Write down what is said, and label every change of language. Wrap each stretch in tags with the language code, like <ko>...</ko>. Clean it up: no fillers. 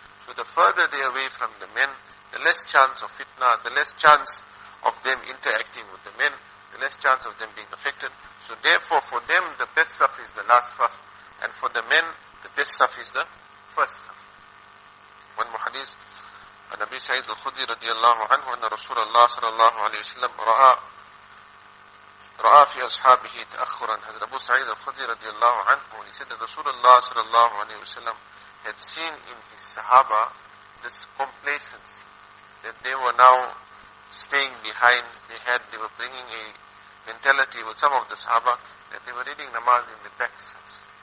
<en>So the further they are away from the men, the less chance of fitna, the less chance of them interacting with the men, the less chance of them being affected. So therefore, for them, the best saf is the last saf, and for the men, the best saf is the first saf. One more hadith.</en> <ar>عن أبي سعيد الخدري رضي الله عنه أن رسول الله صلى الله عليه وسلم رأى في أصحابه تأخرا. حضرت أبو سعيد الخدري رضي الله عنه,</ar> <en>he said that رسول الله صلى الله عليه وسلم had seen in his Sahaba this complacency, that they were now staying behind, they were bringing a mentality with some of the Sahaba that they were reading namaz in the back steps.</en>